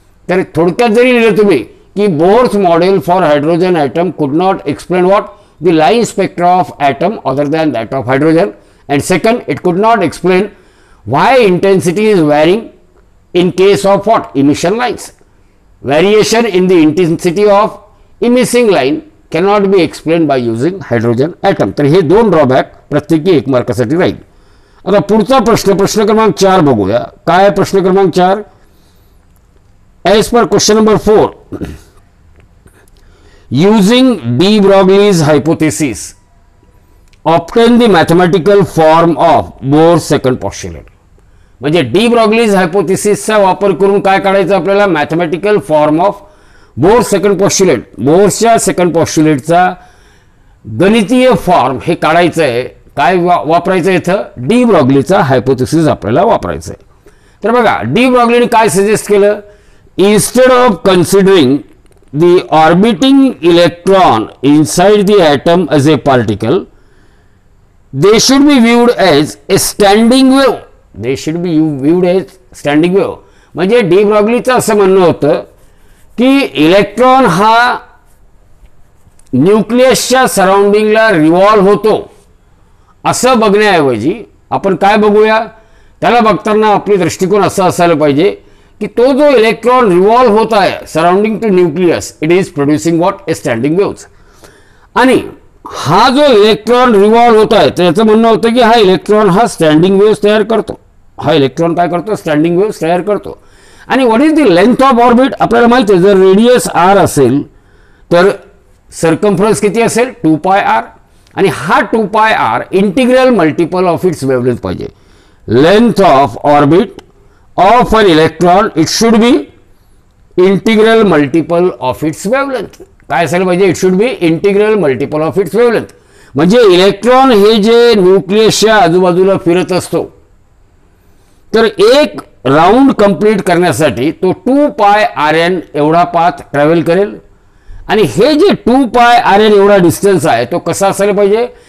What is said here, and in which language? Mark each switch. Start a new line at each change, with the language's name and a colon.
Marathi: तर थोडक्यात जरी लिहिलं तुम्ही की
English: Bohr's model for hydrogen atom could not explain what the line spectra of atom other than that of hydrogen, and second it could not explain why intensity is varying in case of what emission lines, variation in the intensity of emitting line cannot be explain by using hydrogen atom.
Marathi: तर हे दोन drawback प्रत्येकी एक मार्कासाठी राहील. आता पुढचा प्रश्न, प्रश्न क्रमांक चार बघूया. काय आहे प्रश्न क्रमांक चार?
English: As per question number four, using de Broglie's hypothesis obtain the mathematical form of Bohr second postulate.
Marathi: म्हणजे डी ब्रॉगलीज हायपोथेसिसचा वापर करून काय काढायचं आपल्याला?
English: mathematical form of Bohr second postulate,
Marathi: बोर्सच्या second पॉस्टुलेटचा गणितीय फॉर्म हे काढायचं आहे. काय वापरायचं आहे इथं? डी ब्रॉगलीचा हायपोथेसिस आपल्याला वापरायचं आहे. तर बघा, डी ब्रॉगलीने काय सजेस्ट केलं?
English: Instead of considering the orbiting electron inside the atom as a particle, they should be viewed as a standing wave. They should be viewed as standing wave.
Marathi: म्हणजे डी ब्रॉगलीचं असं म्हणणं होतं की इलेक्ट्रॉन हा न्यूक्लियसच्या सराउंडिंगला रिव्हॉल्व होतो असं बघण्याऐवजी आपण काय बघूया, त्याला बघताना आपली दृष्टिकोन असं असायला पाहिजे की तो जो इलेक्ट्रॉन रिव्हॉल्व होत आहे
English: Surrounding to nucleus, it is producing what? A standing waves.
Marathi: आणि हा जो इलेक्ट्रॉन रिव्हॉल्व होत आहे त्याचं म्हणणं होतं की हा इलेक्ट्रॉन हा स्टँडिंग वेव्ज तयार करतो. हा इलेक्ट्रॉन काय करतो?
English: standing waves
Marathi: तयार करतो. आणि
English: What is the length of orbit?
Marathi: आपल्याला माहिती आहे जर रेडियस आर असेल तर सर्कमफरन्स किती असेल?
English: 2πr.
Marathi: आणि हा
English: 2πr integral multiple of its wavelength पाहिजे. Length of orbit of an electron it should be integral multiple of its wavelength.
Marathi: काय असायला पाहिजे?
English: It should be integral multiple of its wavelength.
Marathi: म्हणजे इलेक्ट्रॉन हे जे न्यूक्लियसच्या आजूबाजूला फिरत असतो तर एक राऊंड कंप्लीट करण्यासाठी तो 2πrn एवढा पाथ ट्रॅव्हल करेल. आणि हे जे 2πrn एवढा डिस्टन्स आहे तो कसा असायला पाहिजे?